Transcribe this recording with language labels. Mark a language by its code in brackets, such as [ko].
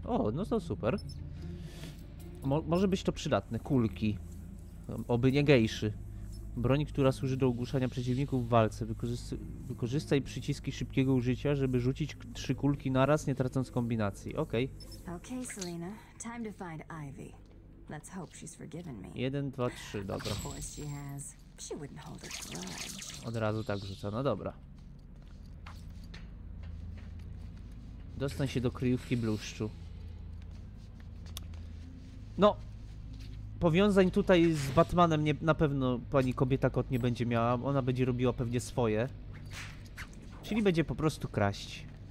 [pl] O, no to super. Może być to przydatne. Kulki. Oby nie gejszy. Broń, która służy do ogłuszania przeciwników w walce. Wykorzystaj przyciski szybkiego użycia, żeby rzucić 3 kulki naraz, nie tracąc kombinacji. Okej. [en] Okej, Selina. Time to find Ivy. Let's hope she's forgiven me. [pl] 1, 2, 3. Dobra. [en] She wouldn't hold a grudge. [pl] Od razu tak rzucona, dobra. Dostań się do kryjówki bluszczu. No, powiązań tutaj z Batmanem nie, na pewno pani kobieta kot nie będzie miała. Ona będzie robiła pewnie swoje. Czyli będzie po prostu kraść.